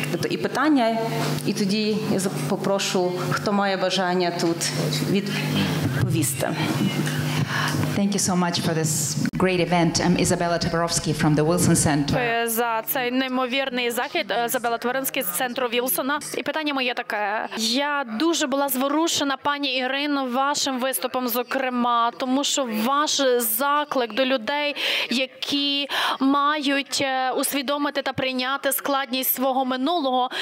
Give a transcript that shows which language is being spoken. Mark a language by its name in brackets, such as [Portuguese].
[Ukrainian] І питання, і тоді я попрошу, хто має бажання тут відповісти. [English] Thank you so much for this great event. I'm Isabella Tabarovsky from the Wilson Center. [Ukrainian] За цей неймовірний захід Ізабела Тваринська з центру Вілсона. І питання моє таке. Я дуже була зворушена, пані Ірино, вашим виступом, зокрема, тому що ваш заклик до людей, які мають усвідомити та прийняти складність свого минулого.